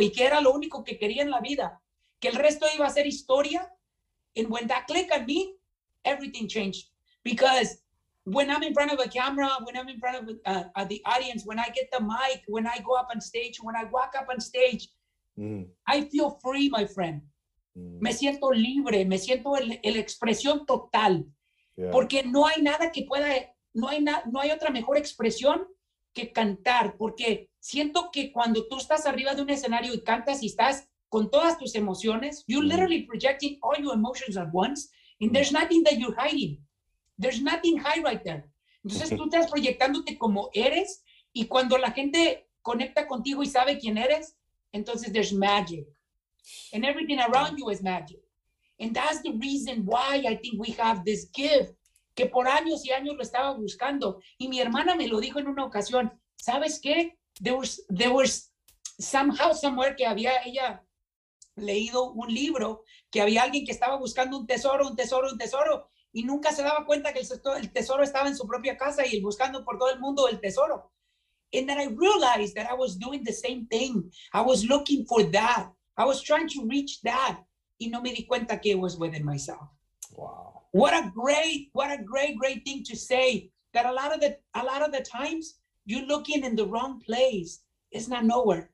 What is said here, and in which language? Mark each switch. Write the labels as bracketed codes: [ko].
[es] Y que era lo único que quería en la vida. Que el resto iba a ser historia. [en] And when that clicked at me, everything changed. Because when I'm in front of a camera, when I'm in front of the audience, when I get the mic, when I go up on stage, when I walk up on stage, I feel free, my friend. [es] Me siento libre, me siento el expresión total. Yeah. Porque no hay nada que pueda, no hay otra mejor expresión que cantar. Porque siento que cuando tú estás arriba de un escenario y cantas y estás con todas tus emociones, [en] you're literally projecting all your emotions at once, and there's nothing that you're hiding. There's nothing high right there. [es] Entonces tú estás proyectándote como eres, y cuando la gente conecta contigo y sabe quién eres, entonces [en] there's magic. And everything around you is magic. And that's the reason why I think we have this gift, [es] que por años y años lo estaba buscando. Y mi hermana me lo dijo en una ocasión, ¿sabes qué? [en] There was somehow, somewhere [es] que había ella leído un libro, que había alguien que estaba buscando un tesoro, un tesoro, un tesoro, y nunca se daba cuenta que el tesoro estaba en su propia casa y buscando por todo el mundo el tesoro. [en] And then I realized that I was doing the same thing. I was looking for that. I was trying to reach that. [es] Y no me di cuenta que [en] it was within myself. Wow. What a great thing to say. That a lot of the times, you're looking in the wrong place. It's not nowhere.